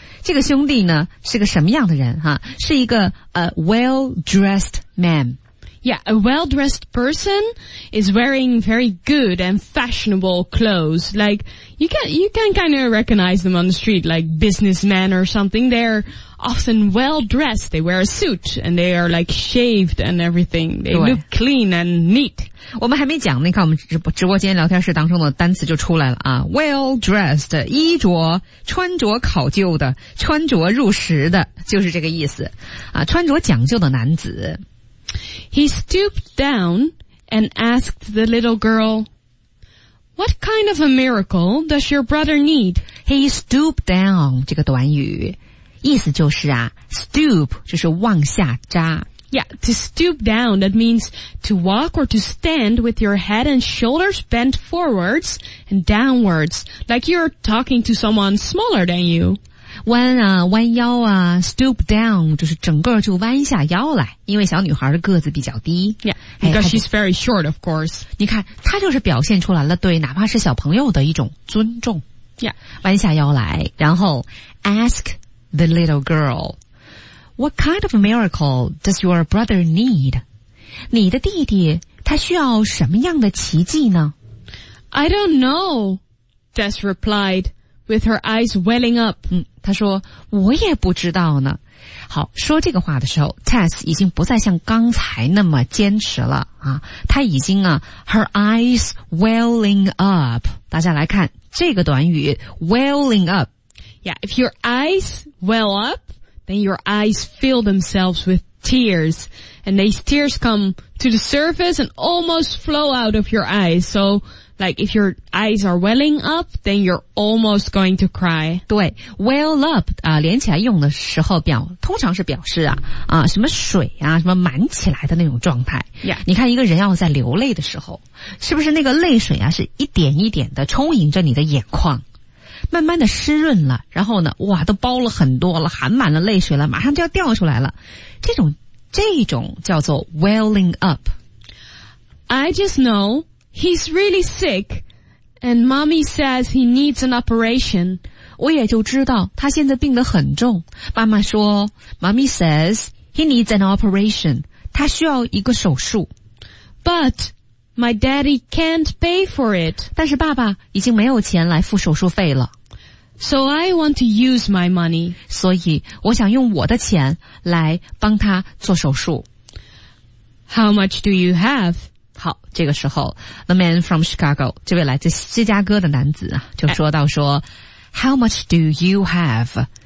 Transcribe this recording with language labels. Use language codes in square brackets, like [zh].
[zh] 这个兄弟呢是个什么样的人哈，是一个well-dressed man. [en] Yeah, a well-dressed person is wearing very good and fashionable clothes. Like, you can kind of recognize them on the street, like businessmen or something. They're often well-dressed. They wear a suit and they are like shaved and everything. They look clean and neat. [zh] 我们还没讲，你看我们直播间聊天室当中的单词就出来了啊。 Well-dressed, 衣着，穿着考究的，穿着入时的，就是这个意思。啊，穿着讲究的男子。 [en] He stooped down and asked the little girl, What kind of a miracle does your brother need? [zh] He stooped down, 这个短语意思就是啊 ,stoop 就是往下扎。 [en] Yeah, to stoop down, that means to walk or to stand with your head and shoulders bent forwards and downwards, like you're talking to someone smaller than you. [zh] 弯啊弯腰啊 ,stoop down, 就是整个就弯下腰来，因为小女孩的个子比较低。 [en] Yeah, because she's very short, of course. [zh] 你看她就是表现出来了对哪怕是小朋友的一种尊重。 [en] Yeah. [zh] 弯下腰来然后 [en] ask the little girl. What kind of miracle does your brother need? [zh] 你的弟弟他需要什么样的奇迹呢? [en] I don't know, Tess replied, with her eyes welling up. [zh] 他说我也不知道呢。好，说这个话的时候 ,Tess 已经不再像刚才那么坚持了啊，他已经啊 , [en] her eyes welling up. [zh] 大家来看这个短语 ,welling up. [en] Yeah, if your eyes well up, then your eyes fill themselves with tears. And these tears come to the surface and almost flow out of your eyes. So, like, if your eyes are welling up, then you're almost going to cry. [zh] 对, well up, 连起来用的时候表通常是表示啊啊什么水啊什么满起来的那种状态。 [en] Yeah. [zh] 你看一个人要在流泪的时候是不是那个泪水啊是一点一点的充盈着你的眼眶。慢慢的湿润了然后呢哇都包了很多了含满了泪水了马上就要掉出来了。这种叫做 welling up. [en] I just know he's really sick and mommy says he needs an operation. [zh] 我也就知道他现在病得很重。妈妈说 [en] ,mommy says he needs an operation. [zh] 他需要一个手术。 [en] But,My daddy can't pay for it. [zh] 但是爸爸已经没有钱来付手术费了。 [en] So I want to use my money. [zh] 所以我想用我的钱来帮他做手术。 [en] How much do you have? [zh] 好，这个时候 , [en] the man from Chicago, [zh] 这位来自芝加哥的男子就说到说 , [en] How much do you have?